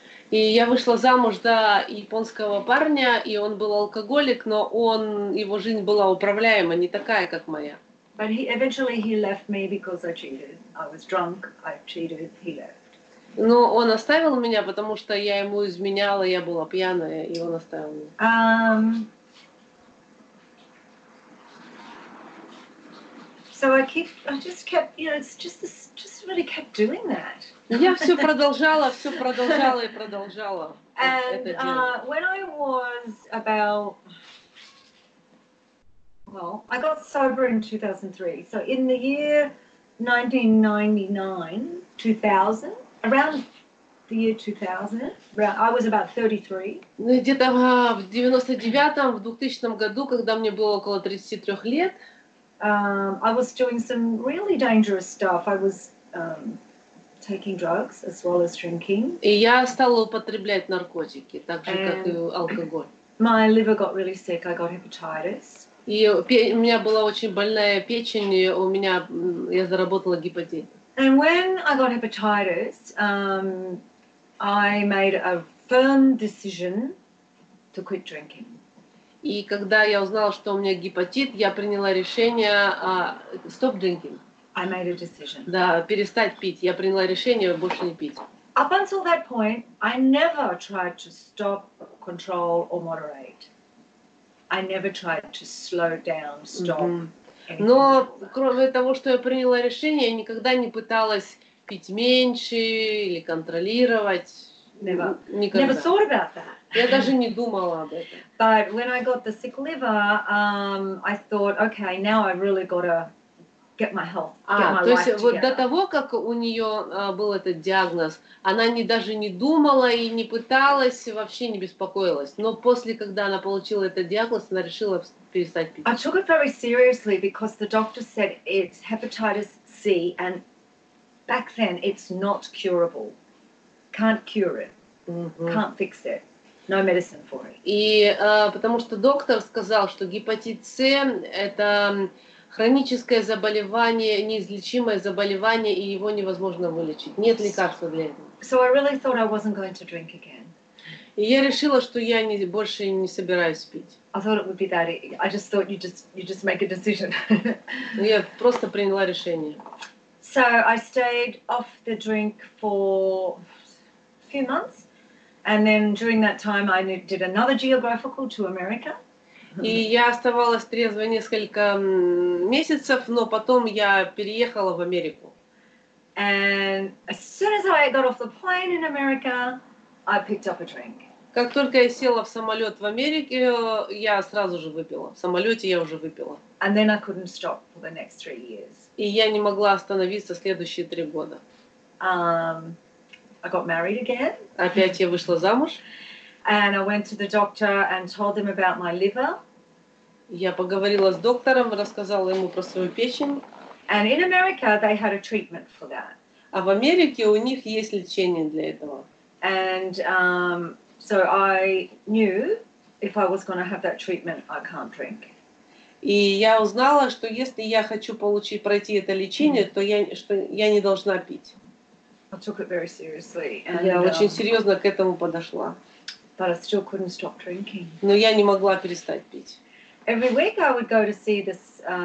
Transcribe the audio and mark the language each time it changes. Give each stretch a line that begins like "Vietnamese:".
Russian: И я вышла замуж за японского парня, и он был алкоголик, но он, его жизнь была управляема, не такая, как моя.
English: But he, eventually he left me because I cheated. I was drunk, I cheated, he left.
Russian: Но он оставил меня, потому что я ему изменяла, я была пьяная, и он оставил меня.
English: So I just kept, you know, it's just really kept doing that.
Russian: Я все продолжала.
English: And when I was about, well, I got sober in 2003. So in the year 1999, 2000, around the year 2000, I was about 33.
Russian: Ну, где-то в 99-м, в 2000-м году, когда мне было около 33 лет.
English: I was doing some really dangerous stuff. I was... taking drugs as well as drinking.
Russian: И я стала употреблять наркотики, так же, как и алкоголь.
English: My liver got really sick, I got hepatitis.
Russian: И у меня была очень больная печень, у меня, я заработала гепатит.
English: And when I got hepatitis, I made a firm decision to quit drinking.
Russian: И когда я узнала, что у меня гепатит, я приняла решение
English: stop drinking. I made a decision.
Russian: Да, перестать пить. Я приняла решение больше не пить.
English: Up until that point, I never tried to stop, control or moderate. I never tried to slow down, stop.
Russian: Но кроме того, что я приняла решение, я никогда не пыталась пить меньше или контролировать.
English: Never.
Russian: Никогда.
English: Never thought about that.
Russian: Я даже не думала об этом.
English: But when I got the sick liver, I thought, okay, now I really gotta get my health, get my life together.
Russian: То есть вот до того, как у нее был этот диагноз, она не даже не думала и не пыталась, вообще не беспокоилась. Но после, когда она получила этот диагноз, она решила перестать пить.
English: I took it very seriously because the doctor said it's hepatitis C, and back then it's not curable, can't cure it, can't fix it. No medicine for it.
Russian: И потому что доктор сказал, что гепатит С это хроническое заболевание, неизлечимое заболевание, и его невозможно вылечить. Нет лекарства для этого.
English: So I really thought I wasn't going to drink again.
Russian: И я решила, что я не, больше не собираюсь пить.
English: I thought it would be that. I just thought you just make a decision.
Russian: Я просто приняла решение.
English: So I stayed off the drink for a few months. And then during that time, I did another geographical to America.
Russian: И я оставалась трезвой несколько месяцев, но потом я переехала в Америку.
English: And as soon as I got off the plane in America, I picked up a drink.
Russian: Как только я села в самолет в Америке, я сразу же выпила. В самолете я уже выпила.
English: And then I couldn't stop for the next 3 years.
Russian: И я не могла остановиться следующие 3 года.
English: I got married again.
Russian: Опять я вышла замуж.
English: And I went to the doctor and told him about my liver.
Russian: Я поговорила с доктором, рассказала ему про свою печень.
English: And in America they had a treatment for that.
Russian: А в Америке у них есть лечение для этого.
English: And so I knew if I was going to have that treatment, I can't drink.
Russian: И я узнала, что если я хочу получить пройти это лечение, mm-hmm. то я что я не должна пить.
English: I took it very seriously.
Russian: Я очень серьезно к этому подошла.
English: But I still couldn't stop drinking.
Russian: Но я не могла перестать пить.
English: Every week I would go to see this.